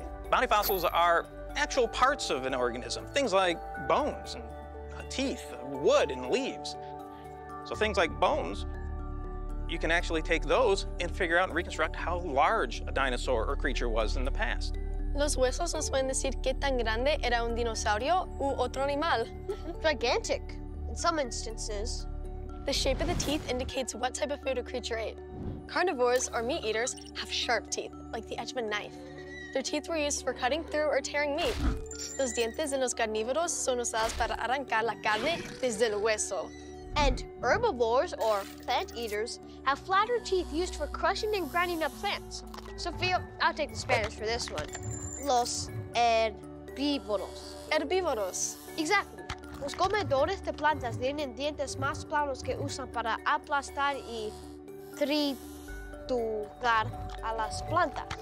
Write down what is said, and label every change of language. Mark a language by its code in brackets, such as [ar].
[en] Body fossils are actual parts of an organism, things like bones and teeth, wood and leaves. So things like bones, you can actually take those and figure out and reconstruct how large a dinosaur or creature was in the past. [es] Los huesos nos pueden decir qué tan grande era un dinosaurio u otro animal. [en] Gigantic, in some instances. The shape of the teeth indicates what type of food a creature ate. Carnivores, or meat eaters, have sharp teeth, like the edge of a knife. Their teeth were used for cutting through or tearing meat. [es] Los dientes en los carnívoros son usados para arrancar la carne desde el hueso. [en] And herbivores, or plant eaters, have flatter teeth used for crushing and grinding up plants. Sophia, I'll take the Spanish for this one. [es] Los herbívoros. Herbívoros. [en] Exactly. [es] Los comedores de plantas tienen dientes más planos que usan para aplastar y triturar a las plantas.